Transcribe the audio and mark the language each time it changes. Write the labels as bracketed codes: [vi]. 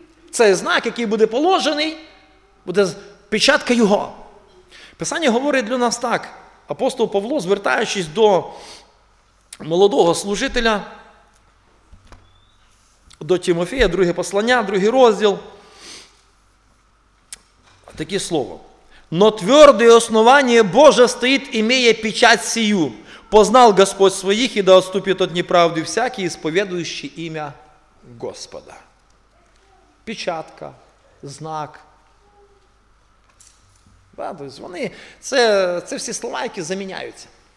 [uk] Це знак, який буде положений, буде печатка його. Писання говорить для нас так. Апостол Павло, звертаючись до молодого служителя, до Тимофія, друге послання, другий розділ, таке слово. [ru] «Но твердое основание Боже стоит, имея печать сию». Познал Господь своїх і да отступить от неправди всякий, [uk] сповідуючи ім'я Господа. Печатка, знак. Вони, це всі слова, які заміняються.